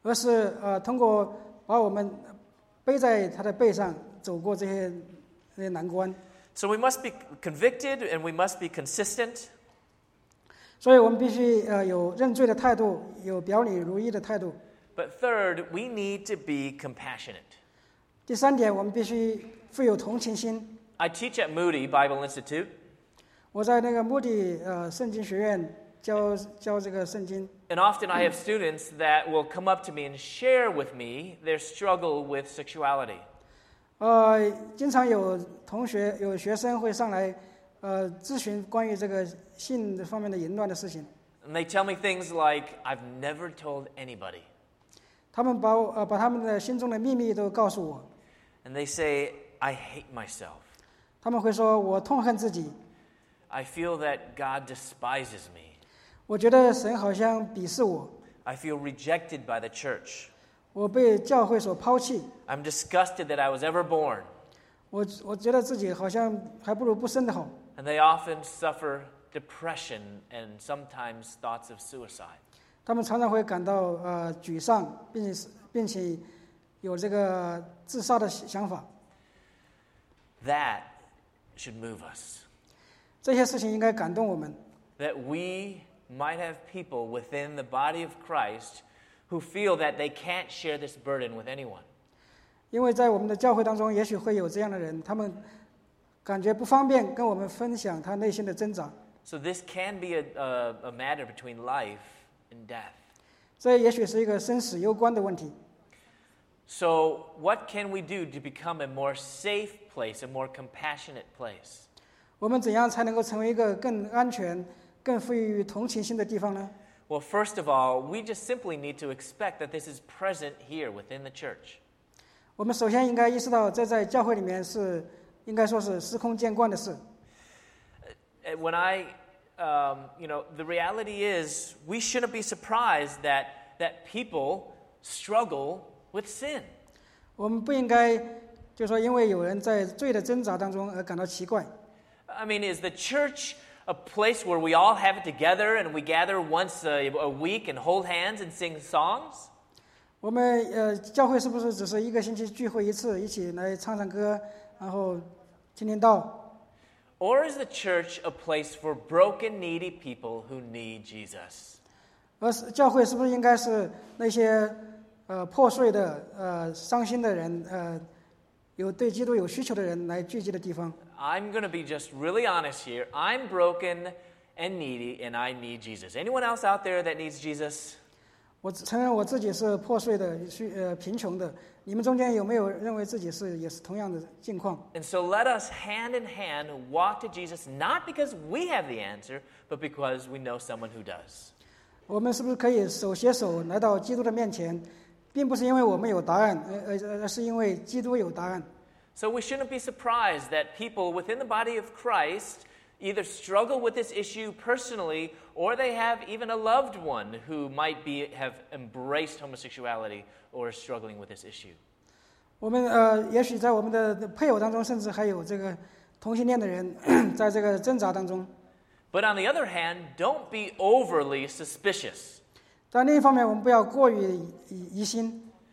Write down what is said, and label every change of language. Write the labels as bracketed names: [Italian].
[Chinese] 而是通过把我们背在他的背上走过这些难关。 [English] So we must be convicted and we must be consistent. [Chinese] 所以我们必须有认罪的态度，有表里如一的态度。 [English] But third, we need to be compassionate. [Chinese] 第三点，我们必须富有同情心。 [English] I teach at Moody Bible Institute. [Chinese] 我在那个穆迪圣经学院教这个圣经。 [English] And often I have students that will come up to me and share with me their struggle with sexuality. [Chinese] 经常有同学有学生会上来咨询关于这个性方面的淫乱的事情。 [English] And they tell me things like, I've never told anybody. [Chinese] 他们把他们的心中的秘密都告诉我。 [English] And they say, I hate myself. [Chinese] 他们会说我痛恨自己。 [English] I feel that God despises me. [Chinese] 我觉得神好像鄙视我。 [English] I feel rejected by the church. [Chinese] 我被教会所抛弃。 [English] I'm disgusted that I was ever born. [Chinese] 我觉得自己好像还不如不生的好。 [English] And they often suffer depression and sometimes thoughts of suicide. [Chinese] 他们常常会感到沮丧，并且有这个自杀的想法。 [English] That should move us. [Chinese] 这些事情应该感动我们。 [English] That we might have people within the body of Christ who feel that they can't share this burden with anyone. [Chinese] 因为在我们的教会当中，也许会有这样的人，他们感觉不方便跟我们分享他内心的挣扎。 [English] So this can be a matter between life and death. [Chinese] 这也许是一个生死攸关的问题。 [English] So what can we do to become a more safe place, a more compassionate place? [Chinese] 我们怎样才能够成为一个更安全、更富于同情心的地方呢？ [English] Well, first of all, we just simply need to expect that this is present here within the church. [Chinese] 我们首先应该意识到，这在教会里面是应该说是司空见惯的事。 [English] When I, you know, the reality is we shouldn't be surprised that people struggle with sin. [Chinese] 我们不应该就说因为有人在罪的挣扎当中而感到奇怪。 [English] I mean, is the church a place where we all have it together and we gather once a week and hold hands and sing songs? [Chinese] 我们教会是不是只是一个星期聚会一次，一起来唱唱歌，然后听听道？ [English] Or is the church a place for broken, needy people who need Jesus? [Chinese] 教会是不是应该是那些破碎的伤心的人有对基督有需求的人来聚集的地方？ [English] I'm going to be just really honest here. I'm broken and needy and I need Jesus. Anyone else out there that needs Jesus? [Chinese] 我承认我自己是破碎的贫穷的，你们中间有没有认为自己是也是同样的境况？ [English] And so let us hand in hand walk to Jesus, not because we have the answer, but because we know someone who does. [Chinese] 我们是不是可以手携手来到基督的面前，并不是因为我们有答案，而是因为基督有答案。 [English] So we shouldn't be surprised that people within the body of Christ either struggle with this issue personally, or they have even a loved one who might be have embraced homosexuality or is struggling with this issue. [Chinese] 我们也许在我们的配偶当中，甚至还有这个同性恋的人在这个挣扎当中。 [English] But on the other hand, don't be overly suspicious. [Chinese] 但另一方面，我们不要过于疑心。